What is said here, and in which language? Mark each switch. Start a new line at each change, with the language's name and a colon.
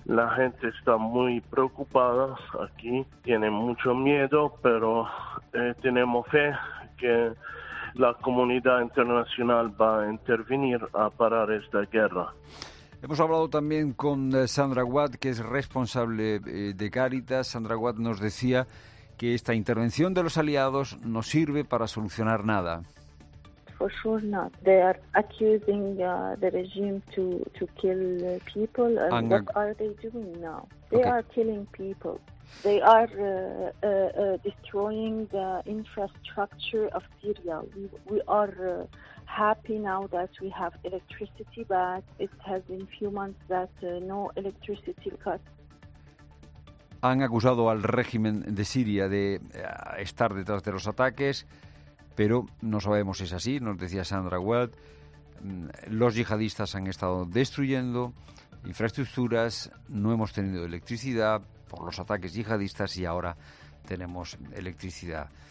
Spanish: La gente está muy preocupada aquí, tiene mucho miedo, pero tenemos fe que la comunidad internacional va a intervenir a parar esta guerra. Hemos hablado también con Sandra Watt, que es responsable de Cáritas. Sandra Watt nos decía que esta intervención de los aliados no sirve para solucionar nada.
English: For sure not. They are accusing the regime to kill people. And what are they doing now? They are killing people. They are destroying the infrastructure of Syria. We are happy now that we have electricity, but it has been few months that no electricity cut.
Spanish: Han acusado al régimen de Siria de estar detrás de los ataques, pero no sabemos si es así, nos decía Sandra Watt. Los yihadistas han estado destruyendo infraestructuras, no hemos tenido electricidad por los ataques yihadistas y ahora tenemos electricidad.